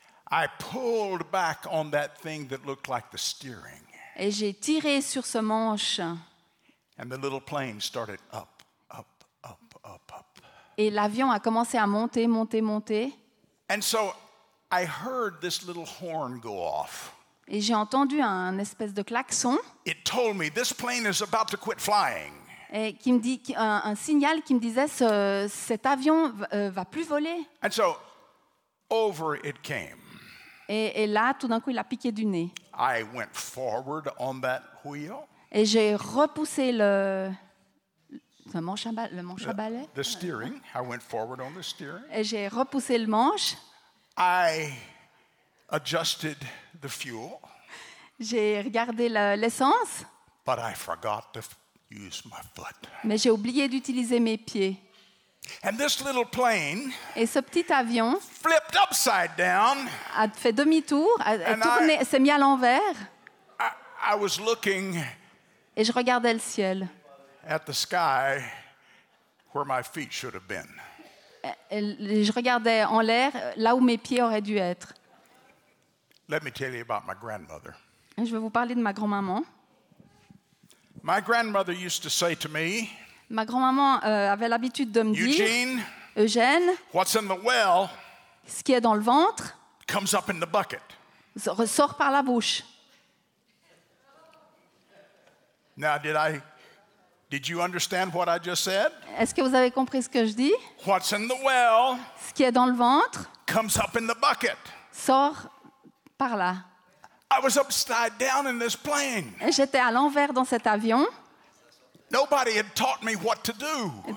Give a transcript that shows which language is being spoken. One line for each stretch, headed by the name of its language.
English: I pulled back on that thing that looked like the steering.
French: Et j'ai tiré sur ce manche.
English: And the little plane started up, up, up, up, up.
French: Et l'avion a commencé à monter, monter, monter.
English: And so I heard this little horn go off.
French: Et j'ai entendu un espèce de klaxon.
English: It told me this plane is about to quit flying.
French: Et qui me dit un signal qui me disait cet avion va plus voler.
English: And so over it came.
French: Et là tout d'un coup il a piqué du nez.
English: I went forward on that wheel.
French: Et j'ai repoussé le manche à balai.
English: The steering. I went forward on the steering.
French: Et j'ai repoussé le manche.
English: I adjusted the fuel.
French: J'ai regardé l'essence.
English: But I forgot to use my foot.
French: Mais j'ai oublié d'utiliser mes pieds.
English: And this little plane.
French: Et ce petit avion.
English: Flipped upside down.
French: A fait demi-tour. S'est mis à l'envers.
English: I was looking.
French: Et je regardais le ciel.
English: At the sky, where my feet should have been.
French: Et je regardais en l'air là où mes pieds auraient dû être.
English: Let me tell you about my grandmother.
French: Je vais vous parler de ma grand-maman.
English: My grandmother used to say to me,
French: ma grand-maman avait l'habitude de me dire,
English: Eugene,
French: Eugène,
English: what's in the well,
French: ce qui est dans le ventre
English: comes up in the bucket.
French: Ressort par la bouche.
English: Now, did you understand what I just said?
French: Est-ce que vous avez compris ce que je dis?
English: What's in the well?
French: Ce qui est dans le ventre?
English: Comes up in the bucket.
French: Sort par là.
English: I was upside down in this plane.
French: Et j'étais à l'envers dans cet avion.
English: Nobody had taught me what to do.